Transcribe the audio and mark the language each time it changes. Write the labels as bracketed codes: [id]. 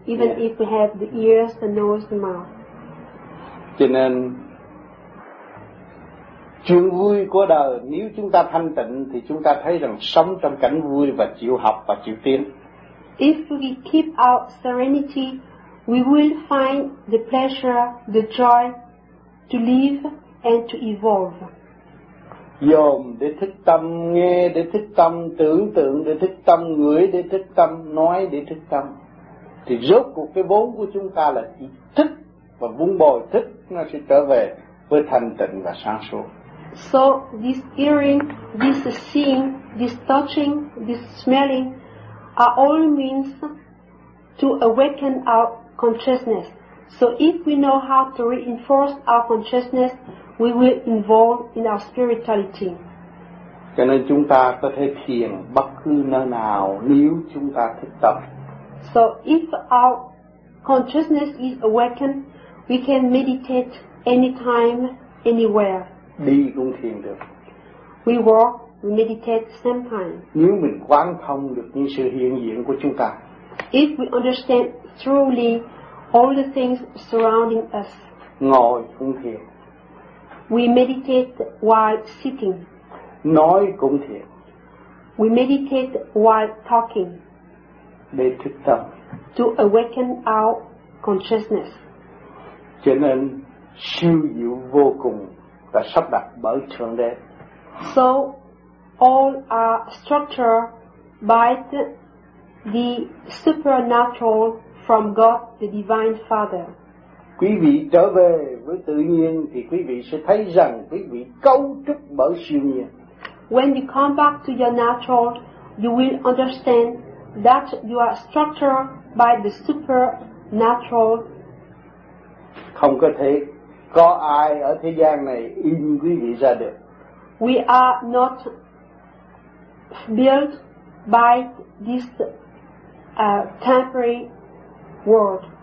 [en] Even if we have the ears, the nose, the mouth. [vi] Cho nên chuyện vui của đời, nếu chúng ta thanh tịnh thì chúng ta thấy rằng sống trong cảnh vui và chịu học và chịu tiến. [en] If we keep our serenity, we will find the pleasure, the joy to live and to evolve. [vi] Dồn để thích tâm, nghe để thích tâm, tưởng tượng để thích tâm, ngửi để thích tâm, nói để thích tâm. Thì rốt cuộc cái vốn của chúng ta là thích và vun bồi thích, nó sẽ trở về với thanh tịnh và sáng suốt. [en] So this hearing, this seeing, this touching, this smelling are all means to awaken our consciousness. So if we know how to reinforce our consciousness, we will evolve in our spirituality. [vi] Cho nên chúng ta có thể thiền bất cứ nơi nào nếu chúng ta thích tập. [en] So if our consciousness is awakened, we can meditate anytime, anywhere. [vi] Đi cũng thiền được. [en] We walk, we meditate same time. [vi] Nếu mình quán thông được những sự hiện diện của chúng ta. [en] If we understand truly all the things surrounding us. [vi] Ngồi cũng thiền. [en] We meditate while sitting. [vi] Nói cũng thiền. [en] We meditate while talking. [vi] Để thức tâm. [en] To awaken our consciousness. [vi] Cho nên siêu diệu vô cùng và sắp đặt bởi Thượng Đế. [en] So all are structured by the supernatural from God, the Divine Father. [vi] Quý vị trở về với tự nhiên thì quý vị sẽ thấy rằng quý vị cấu trúc bởi siêu nhiên. [en] When you come back to your natural, you will understand that you are structured by the supernatural. [vi] Không có thể có ai ở thế gian này in quý vị ra được. [en] We are not built by this temporary world.